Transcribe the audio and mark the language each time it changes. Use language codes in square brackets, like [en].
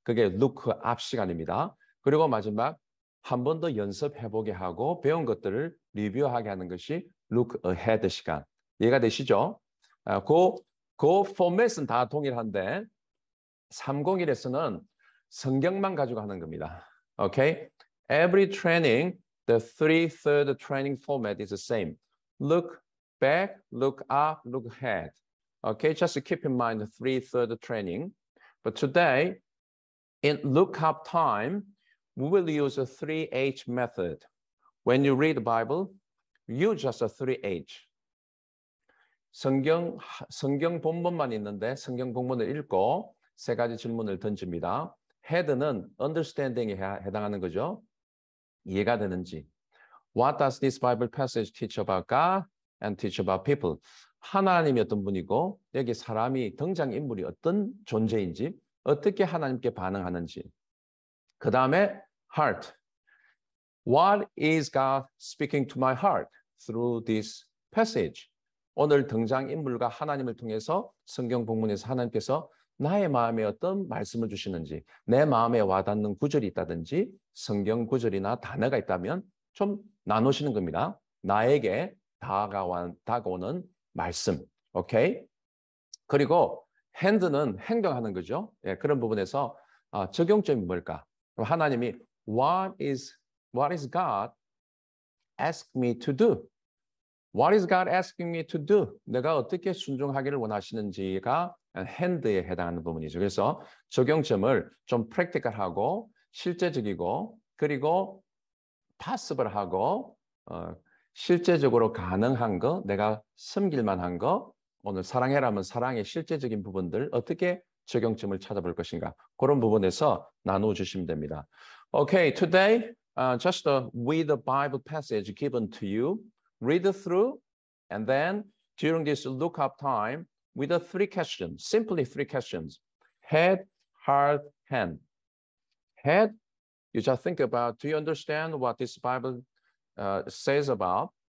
[ko] 그게 룩업 시간입니다. 그리고 마지막 한 번 더 연습해보게 하고 배운 것들을 리뷰하게 하는 것이 룩어헤드 시간. 이해가 되시죠? 그 포맷은 다 동일한데 301에서는 성경만 가지고 하는 겁니다. [en] Okay? Every training, the three-third training format is the same. Look back, look up, look ahead. Okay, just keep in mind the three-third training. But today, in look-up time, we will use a 3H method. When you read the Bible, use just a 3H. [ko] 성경 본문만 있는데 성경 본문을 읽고 세 가지 질문을 던집니다. Head는 understanding에 해당하는 거죠. 이해가 되는지. [en] What does this Bible passage teach about God and teach about people? [ko] 하나님이 어떤 분이고 여기 사람이 등장인물이 어떤 존재인지 어떻게 하나님께 반응하는지. 그 다음에 heart. [en] What is God speaking to my heart through this passage? [ko] 오늘 등장인물과 하나님을 통해서 성경 본문에서 하나님께서 나의 마음에 어떤 말씀을 주시는지 내 마음에 와닿는 구절이 있다든지 성경 구절이나 단어가 있다면 좀 나누시는 겁니다. 나에게 다가오는 말씀. 오케이? 그리고 핸드는 행동하는 거죠. 예, 그런 부분에서 적용점이 뭘까? 하나님이 [en] What is God ask me to do? What is God asking me to do? [ko] 내가 어떻게 순종하기를 원하시는지가 핸드에 해당하는 부분이죠. 그래서 적용점을 좀 프랙티컬하고 실제적이고 그리고 possible하고 실제적으로 가능한 거 내가 섬길 만한 거 오늘 사랑해라면 사랑의 실제적인 부분들 어떻게 적용점을 찾아볼 것인가 그런 부분에서 나눠주시면 됩니다. [en] Okay, today just the with the Bible passage given to you. Read through, and then during this look-up time, with the three questions, simply three questions. Head, heart, hand. Head, you just think about, do you understand what this Bible says about?